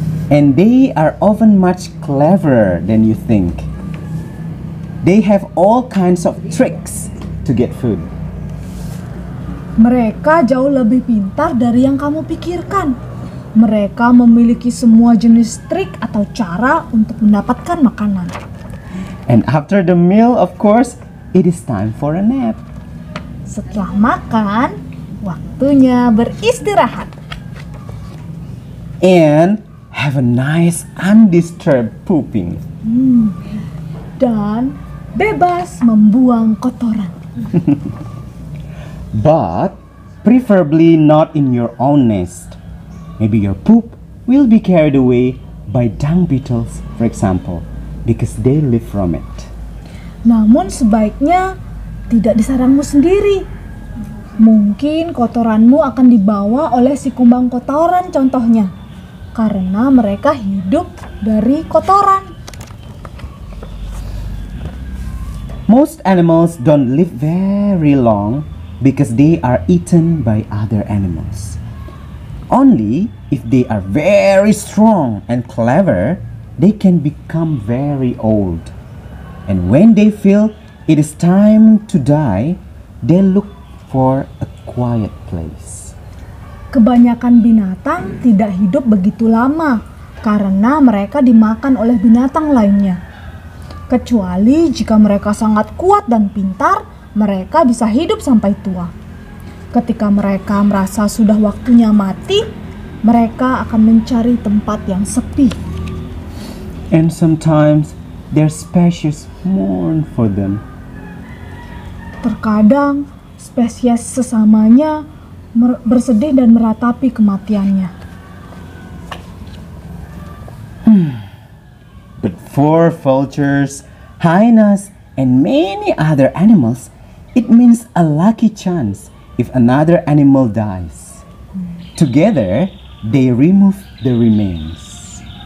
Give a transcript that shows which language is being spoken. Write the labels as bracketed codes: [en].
[en] And they are often much cleverer than you think. They have all kinds of tricks to get food. [id] Mereka jauh lebih pintar dari yang kamu pikirkan. Mereka memiliki semua jenis trik atau cara untuk mendapatkan makanan. [en] And after the meal, of course, it is time for a nap. [id] Setelah makan, waktunya beristirahat. [en] And have a nice undisturbed pooping. [id] Dan bebas membuang kotoran. [en] But preferably not in your own nest. Maybe your poop will be carried away by dung beetles, for example, because they live from it. [id] Namun sebaiknya tidak di sarangmu sendiri. Mungkin kotoranmu akan dibawa oleh si kumbang kotoran contohnya, karena mereka hidup dari kotoran. [en] Most animals don't live very long because they are eaten by other animals. Only if they are very strong and clever, they can become very old. And when they feel it is time to die, they look for a quiet place. [id] Kebanyakan binatang tidak hidup begitu lama karena mereka dimakan oleh binatang lainnya. Kecuali jika mereka sangat kuat dan pintar, mereka bisa hidup sampai tua. Ketika mereka merasa sudah waktunya mati, mereka akan mencari tempat yang sepi. [en] And sometimes their species mourn for them. [id] Terkadang spesies sesamanya bersedih dan meratapi kematiannya. [en] But for vultures, hyenas, and many other animals, it means a lucky chance if another animal dies. Together, they remove the remains.